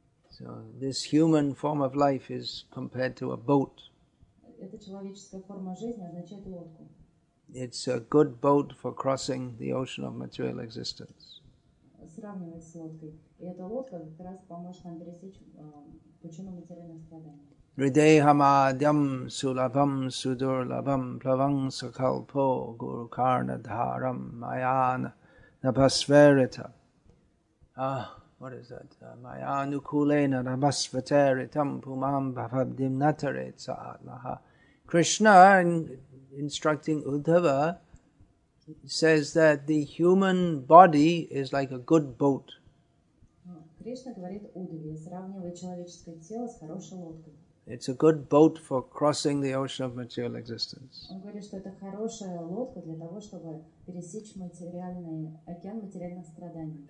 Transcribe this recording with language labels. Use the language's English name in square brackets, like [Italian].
[English] So this human form of life is compared to a boat. [Russian] Эта человеческая форма жизни означает лодку. [English] It's a good boat for crossing the ocean of material existence. [Russian] Сравнивать с лодкой. И эта лодка как раз поможет нам пересечь пучину материальных страданий. [Sanskrit] Ridehama dham sulabham sudurlabham plavang sakalpo guru karna dharam mayana nabhasverita. [English] What is that? [Sanskrit] Mayanukulena nabhasveteritam pumam bhavabdim nataretsa atmaha. [English] Krishna, instructing Uddhava, says that the human body is like a good boat. [Russian] Krishna говорит Uddhava, сравнивает человеческое тело с хорошей лодкой. [English] It's a good boat for crossing the ocean of material existence. [Russian] Он говорит, что это хорошая лодка для того, чтобы пересечь материальный океан материальных страданий.